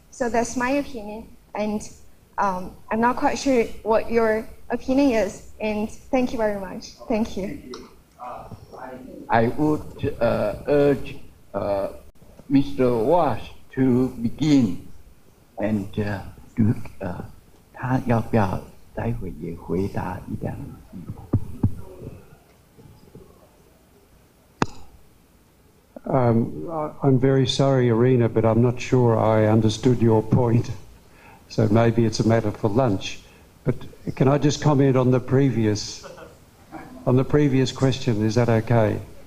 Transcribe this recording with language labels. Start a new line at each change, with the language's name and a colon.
English: So that's my opinion, and I'm not quite sure what your opinion is. And thank you very much. Thank you. I would urge Mr. Wash to begin and do
Chinese: 他要不要待会也回答一两句？
English: I'm very sorry, Irina, but I'm not sure I understood your point. So maybe it's a matter for lunch. But can I just comment on the previous question? Is that okay?